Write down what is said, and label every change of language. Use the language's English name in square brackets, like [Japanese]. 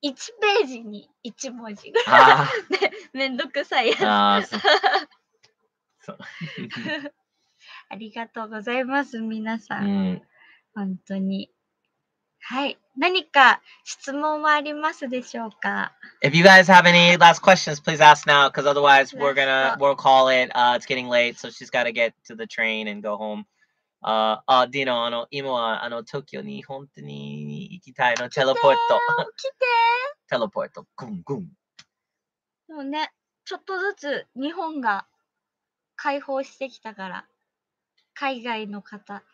[Japanese] 1ページに1文字が、ね、めんどくさいやつ。あ、そう。ありがとうございます、皆さん。本当に。はい。何か質問はありますでしょうか? [English] If you guys have any last questions, please ask now, because otherwise we're gonna, we'll call it, it's getting late, so she's gotta get to the train and go home. [Japanese] Dino, あの、今はあの、東京に本当に行きたいの、テレポート。来て。テレポート、グングン。でもね、ちょっとずつ日本が開放してきたから、海外の方。